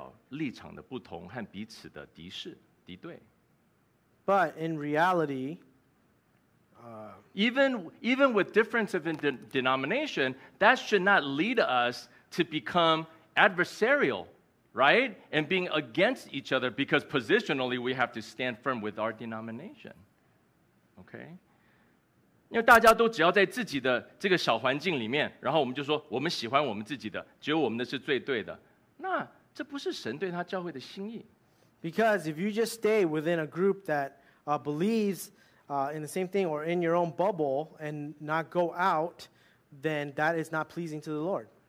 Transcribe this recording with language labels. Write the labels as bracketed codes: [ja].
[zh] 但是事实上，弟兄姐妹，宗派并不代表不应该代表立场的不同和彼此的敌视。 [en] But in reality, even with difference of denomination, that should not lead us to become adversarial, right? And being against each other because positionally we have to stand firm with our denomination. Okay? [zh] 因为大家都只要在自己的这个小环境里面，然后我们就说我们喜欢我们自己的，只有我们的是最对的。那这不是神对他教会的心意。 [en] Because if you just stay within a group that believes in the same thing or in your own bubble and not go out, then that is not pleasing to the Lord.